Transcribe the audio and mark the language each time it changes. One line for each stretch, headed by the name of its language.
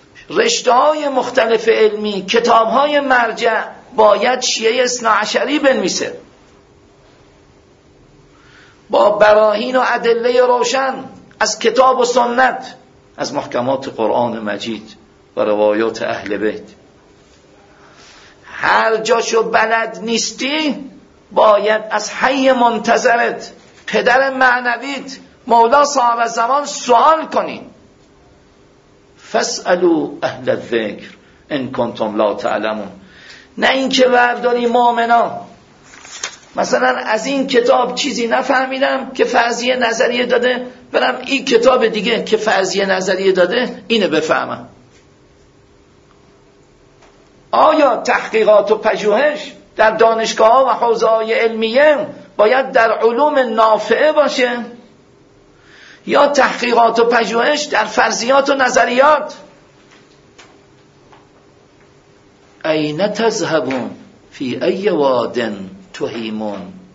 Persian: رشته های مختلف علمی، کتاب های مرجع باید شیعه اثناعشری بنویسه با براهین و ادله روشن از کتاب و سنت، از محکمات قرآن مجید و روایات اهل بیت. هر جاشو بلد نیستی باید از حی منتظرت، پدر معنویت، مولا صاحب زمان سوال کنی.
Arabic: فسألو اهل الذکر ان کنتم لا تعلمون.
Persian: نه اینکه برداری مؤمنا مثلا از این کتاب چیزی نفهمیدم که فرضیه نظریه داده، برم این کتاب دیگه که فرضیه نظریه داده اینه بفهمم. آیا تحقیقات و پژوهش در دانشگاه‌ها و حوزه‌های علمیه باید در علوم نافعه باشه یا تحقیقات و پژوهش در فرضیات و نظریات؟
Arabic: اين تذهبون في اي واد تهيمون.